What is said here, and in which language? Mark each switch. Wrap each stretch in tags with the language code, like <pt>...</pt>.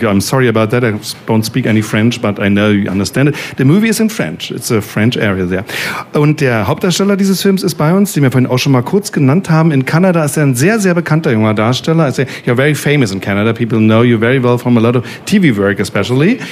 <en>I'm sorry about that. I don't speak any French, but I know you understand it. The movie is in French. It's a French area there.</en> <de>Und der Hauptdarsteller dieses Films ist bei uns, den wir vorhin auch schon mal kurz genannt haben. In Kanada ist er ein sehr, sehr bekannter junger Darsteller.</de> <en>I say, you're very famous in Canada. People know you very well from a lot of TV work especially.</en>